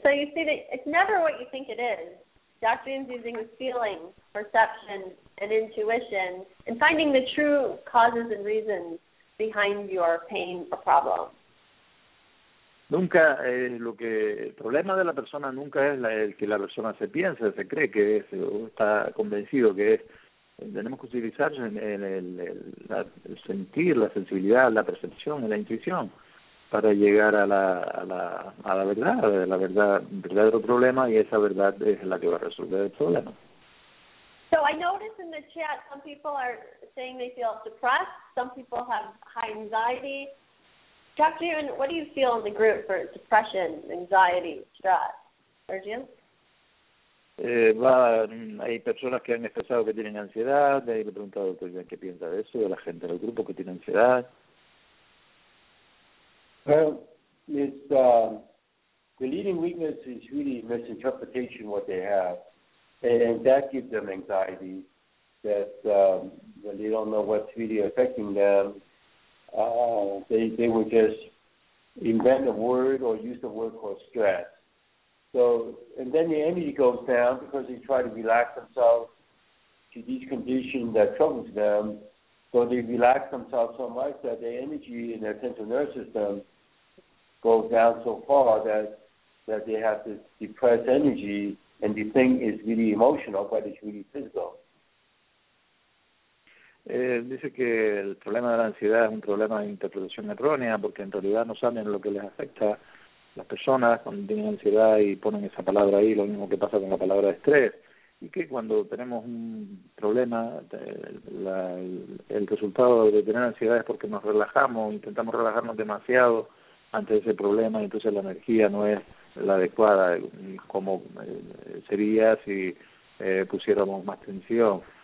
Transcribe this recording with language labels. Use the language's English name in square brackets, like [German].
[English] So you see, it's never what you think it is. Dr. Yin's using his feelings, perception, and intuition, and finding the true causes and reasons behind your pain or problem. [Spanish] Nunca es lo que el problema de la persona nunca es la, el que la persona se piensa, se cree que es, o está convencido que es. Tenemos que utilizar el sentir, la sensibilidad, la percepción, la intuición para llegar a la verdad, a la verdad verdadero problema, y esa verdad es la que va a resolver el problema. [English] So I noticed in the chat some people are saying they feel depressed, some people have high anxiety. Dr. Yun, what do you feel in the group for depression, anxiety, stress? Arjun? [Spanish] Hay personas que han expresado que tienen ansiedad, de ahí le he preguntado qué piensa de eso, de la gente del grupo que tiene ansiedad. [English] Well, it's the leading weakness is really misinterpretation what they have, and that gives them anxiety, that they don't know what's really affecting them. They would just invent a word or use the word called stress. So, and then the energy goes down because they try to relax themselves to these conditions that troubles them. So they relax themselves so much that the energy in their central nervous system goes down so far that they have this depressed energy, and the thing is really emotional, but it's really physical. [Spanish] Dice que el problema de la ansiedad es un problema de interpretación errónea, porque en realidad no saben lo que les afecta a las personas cuando tienen ansiedad y ponen esa palabra ahí, lo mismo que pasa con la palabra estrés, y que cuando tenemos un problema, el resultado de tener ansiedad es porque nos relajamos, intentamos relajarnos demasiado ante ese problema, y entonces la energía no es la adecuada, como sería si pusiéramos más tensión.